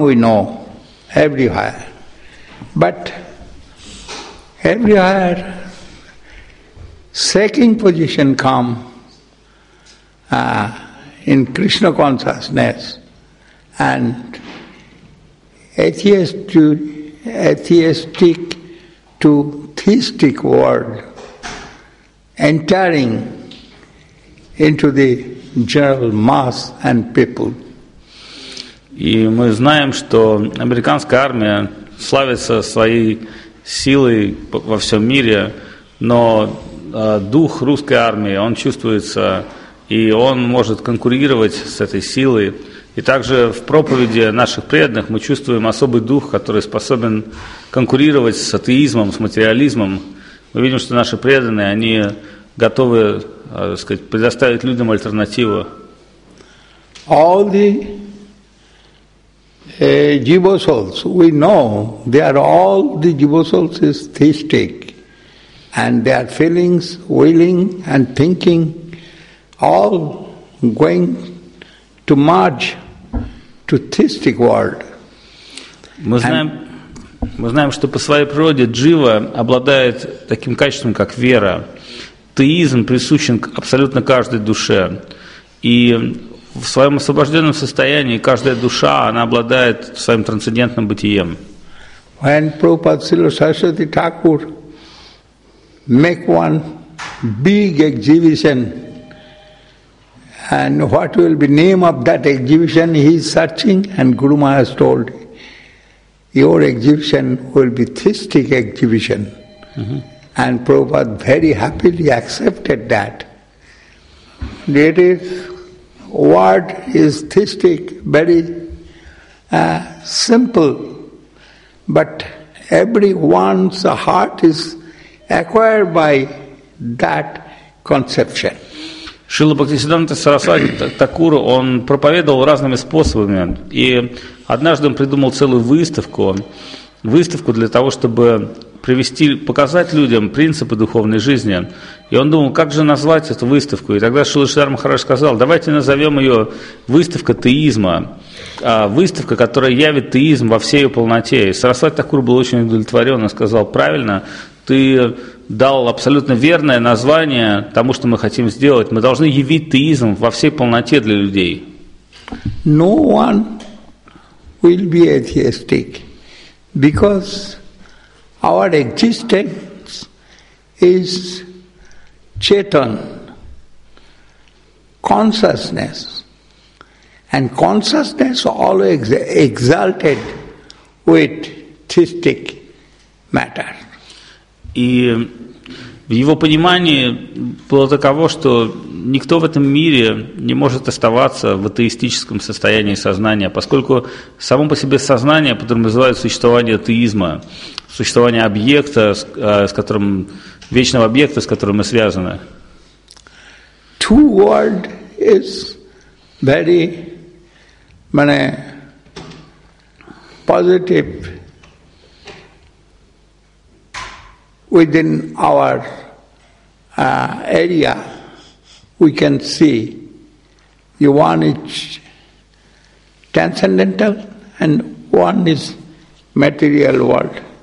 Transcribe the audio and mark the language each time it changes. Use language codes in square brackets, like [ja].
[en] We know everywhere, but everywhere shaking position come in Krishna consciousness, and atheistic to theistic world entering into the general mass and people. [ru] И мы знаем, что американская армия славится своей силой во всем мире, но дух русской армии, он чувствуется, и он может конкурировать с этой силой. И также в проповеди наших преданных мы чувствуем особый дух, который способен конкурировать с атеизмом, с материализмом. Мы видим, что наши преданные, они готовы, так сказать, предоставить людям альтернативу. [en] All the jiva souls, we know, they are all the jiva souls is theistic, and their feelings, willing and thinking, all going to merge to theistic world. [ru] Мы знаем, что по своей природе джива обладает таким качеством, как вера. Теизм присущен абсолютно каждой душе. И в своем освобожденном состоянии каждая душа, она обладает своим трансцендентным бытием. [en] When Prabhupada Srila Saraswati Thakur make one big exhibition, and what will be name of that exhibition, he is searching, and Guru Maharaj told, your exhibition will be theistic exhibition. And Prabhupada very happily accepted that. It is word is theistic, very simple, but everyone's heart is acquired by that conception. [ru] Шрила Бхактисиддханта Сарасвати Такур, он проповедовал разными способами, и однажды он придумал целую выставку для того, чтобы показать людям принципы духовной жизни. И он думал, как же назвать эту выставку. И тогда Шрила Шридхар Махарадж сказал, давайте назовем ее «Выставка теизма». Выставка, которая явит теизм во всей ее полноте. И Сарасвати Такур был очень удовлетворен и сказал, правильно, ты дал абсолютно верное название тому, что мы хотим сделать. Мы должны явить теизм во всей полноте для людей. [en] No one will be atheistic, because our existence is Chetan, consciousness. And consciousness always exalted with theistic matter. [ru] И в его понимании было таково, что никто в этом мире не может оставаться в атеистическом состоянии сознания, поскольку само по себе сознание подразумевает существование атеизма, существование объекта, с которым, вечного объекта, с которым мы связаны. [en] Two world is very many positive within our area, we can see one is transcendental and one is material world.